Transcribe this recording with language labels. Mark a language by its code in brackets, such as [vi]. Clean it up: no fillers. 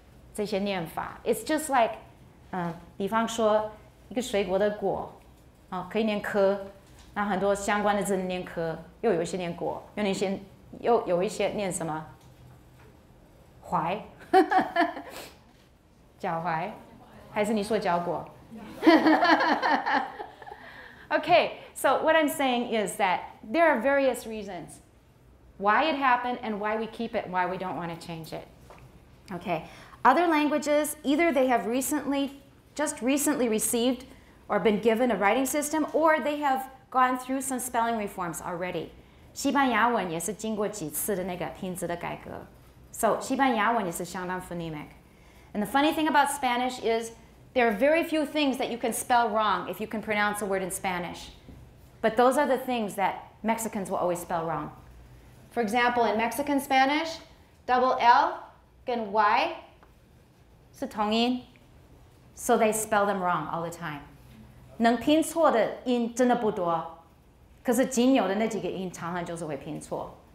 [zh] 因为它有一大堆图的写的东西，一大堆符号，我们并没有念出来，可是对它很亲切，而且有一家一家的不同的家族的这些念法。 [en] It's just like, [zh] 比方说一个水果的果，可以念颗，那很多相关的字念颗，又有一些念果，又有一些念什么，怀，脚踝，还是你说脚果？ [en] Okay, so what I'm saying is that there are various reasons why it happened and why we keep it and why we don't want to change it. Okay, other languages, either they have recently, just recently received or been given a writing system, or they have gone through some spelling reforms already. [zh] 西班牙文也是经过几次的那个拼字的改革。 So, 西班牙文也是相当 phonemic. [en] And the funny thing about Spanish is there are very few things that you can spell wrong if you can pronounce a word in Spanish. But those are the things that Mexicans will always spell wrong. For example, in Mexican Spanish, double L [zh] 跟 [en] Y [zh] 是同音。 [en] So they spell them wrong all the time. [zh] 能拼错的音真的不多。可是仅有的那几个音常常就是会拼错。